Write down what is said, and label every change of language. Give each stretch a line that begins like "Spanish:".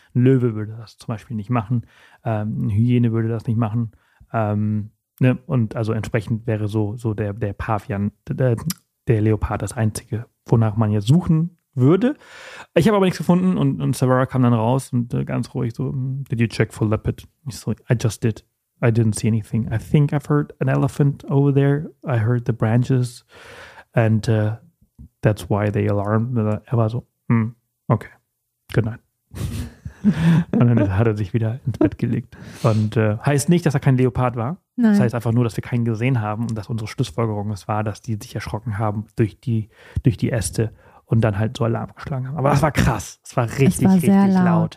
German: Ein Löwe würde das zum Beispiel nicht machen, eine Hyäne würde das nicht machen, ne? Und also entsprechend wäre so der Pavian, der Leopard das Einzige, wonach man jetzt suchen würde. Ich habe aber nichts gefunden und Severa kam dann raus und ganz ruhig so,
English: did you check for leopard?
German: Ich so,
English: I just did. I didn't see anything. I think I've heard an elephant over there. I heard the branches and that's why they alarmed.
German: Er war so, okay,
English: good night.
German: Und dann hat er sich wieder ins Bett gelegt. Und heißt nicht, dass er kein Leopard war. Nein. Das heißt einfach nur, dass wir keinen gesehen haben und dass unsere Schlussfolgerung es war, dass die sich erschrocken haben durch die Äste und dann halt so Alarm geschlagen haben. Aber das war krass. Das war richtig laut.